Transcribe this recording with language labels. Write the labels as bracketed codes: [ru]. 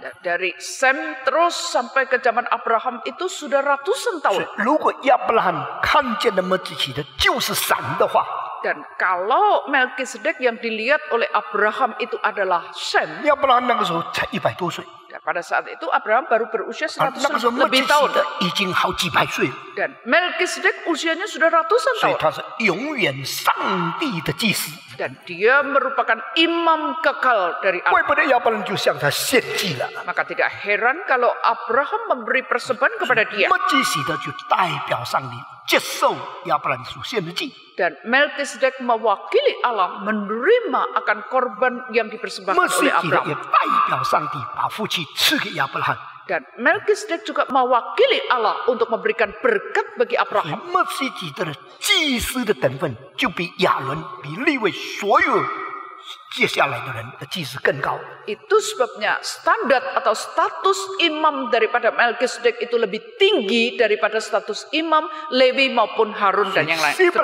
[id] Dari Sem terus sampai ke zaman Abraham itu sudah ratusan tahun. [zh] 如果亚伯兰看见的麦基洗德就是闪的话。 [id] Dan kalau Melkisedek yang dilihat oleh Abraham itu adalah Sem. [zh] Abraham 那个时候才100多岁. [id] Pada saat itu Abraham baru berusia 100 lebih tahun. [zh] 那个时候麦基洗德已经好几百岁. [id] Dan Melkisedek usianya sudah ratusan tahun. [zh] 所以他是永远上帝的祭司. [id] Dan dia merupakan imam kekal dari Allah. [zh] 怪不得亚伯兰就向他献祭了. [id] Maka tidak heran kalau Abraham memberi persembahan kepada dia. [zh] 麦基洗德就代表上帝.接受亚伯兰所献的祭. [id] Dan Melkisedek mewakili Allah menerima akan korban yang dipersembahkan oleh Abraham. [zh] 麦基洗德也代表上帝把福气赐给亚伯兰. [id] Dan Melkisedek juga mewakili Allah untuk memberikan berkat bagi Abraham. [zh] 麦基洗德的祭司的等分就比亚伦比利未所有 [id] Itu sebabnya standar atau status imam daripada Melkisedek itu lebih tinggi daripada status imam Lewi maupun Harun dan yang lain.